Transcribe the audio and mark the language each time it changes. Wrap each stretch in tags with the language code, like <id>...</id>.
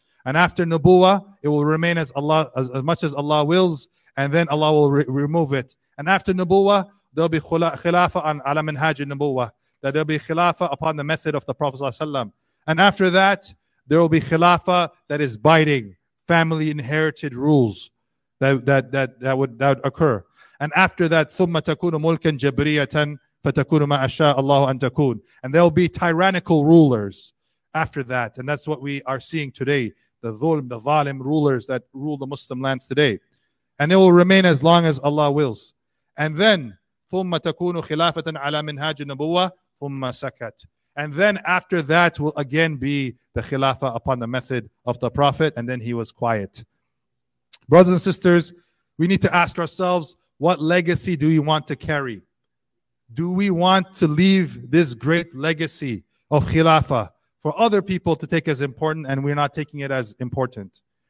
<en>And after Nubuwah, it will remain as Allah, as much as Allah wills, and then Allah will remove it. And after Nubuwah, there'll be Khilafa on ala minhaj Nubuwah, that there'll be Khilafa upon the method of the Prophet ﷺ. And after that, there will be khilafa that is biting, family inherited rules that would occur. And after that,</en> <ar>ثم تكون ملكا جبرية فتكون ما أشاء الله أن تكون.</ar> <en>And there will be tyrannical rulers after that. And that's what we are seeing today. The zalim rulers that rule the Muslim lands today. And it will remain as long as Allah wills. And then,</en> <ar>ثم تكون خلافة على منهاج النبوة ثم سكت.</ar> <en>And then after that will again be the Khilafa upon the method of the Prophet, and then he was quiet. Brothers and sisters, we need to ask ourselves, what legacy do we want to carry? Do we want to leave this great legacy of Khilafa for other people to take as important, and we're not taking it as important?</en>